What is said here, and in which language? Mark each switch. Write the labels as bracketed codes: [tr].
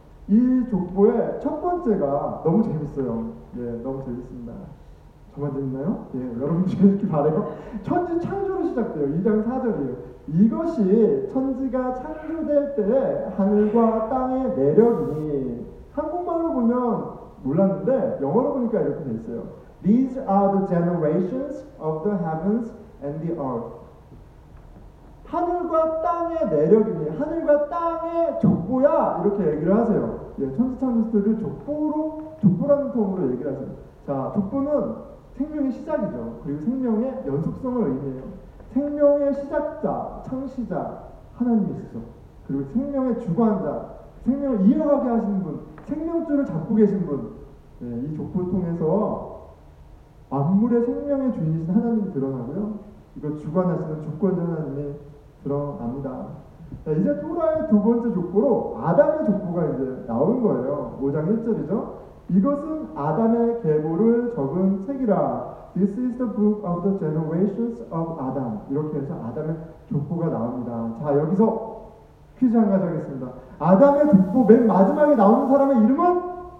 [ko] 이 족보의 첫 번째가 너무 재밌어요. 예, 너무 재밌습니다. 정말 재밌나요? 예, 여러분 재밌길 바라요. 천지 창조로 시작돼요. 2장 4절이에요. 이것이 천지가 창조될 때 하늘과 땅의 내력이니 한국말로 보면 몰랐는데 영어로 보니까 이렇게 돼 있어요. [en] These are the generations of the heavens and the earth. [ko] 하늘과 땅의 내력이니 하늘과 땅의 족보야 이렇게 얘기를 하세요. 예, 천지 창조들을 족보라는 폼으로 얘기를 하세요. 자, 족보는 생명의 시작이죠. 그리고 생명의 연속성을 의미해요. 생명의 시작자, 창시자, 하나님이시죠. 그리고 생명의 주관자, 생명을 이어가게 하시는 분, 생명줄을 잡고 계신 분, 네, 이 족보를 통해서 만물의 생명의 주인이신 하나님이 드러나고요. 이걸 주관하시는 주권자 하나님이 드러납니다. 자, 이제 토라의 두 번째 족보로 아담의 족보가 이제 나온 거예요. 5장 1절이죠. 이것은 아담의 계보를 적은 책이라. [en] This is the book of the generations of Adam. [ko] 이렇게 해서 아담의 족보가 나옵니다. 자, 여기서 퀴즈 한 가지 하겠습니다. 아담의 족보 맨 마지막에 나오는 사람의 이름은?